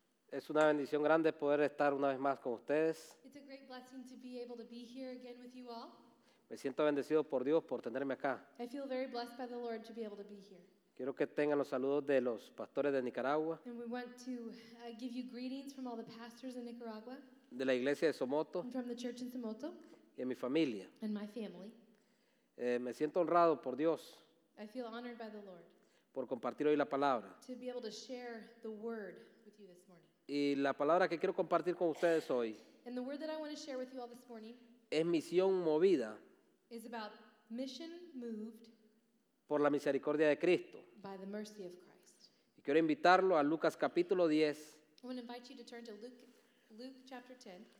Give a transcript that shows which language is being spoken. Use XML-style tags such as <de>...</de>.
<es>Es una bendición grande poder estar una vez más con ustedes.</es> <en>It's a great blessing to be able to be here again with you all.</en> <es>Me siento bendecido por Dios por tenerme acá.</es> <en>I feel very blessed by the Lord to be able to be here.</en> <es>Quiero que tengan los saludos de los pastores de Nicaragua.</es> <en>And we want to give you greetings from all the pastors in Nicaragua.</en> <es>De la iglesia de Somoto.</es> <en>And from the church in Somoto.</en> <es>Y en mi familia.</es> <en>And my family.</en> <es>Me siento honrado por Dios.</es> <en>I feel honored by the Lord.</en> <es>Por compartir hoy la palabra.</es> <en>To be able to share the word with you this morning.</en> <es>Y la palabra que quiero compartir con ustedes hoy.</es> <en>And the word that I want to share with you all this morning.</en> <es>Es misión movida.</es> <en>Is about mission moved.</en> <es>Por la misericordia de Cristo.</es> <en>By the mercy of Christ.</en> <es>Y quiero invitarlo a Lucas capítulo 10.</es> <en>I want to invite you to turn to Luke chapter 10.</en>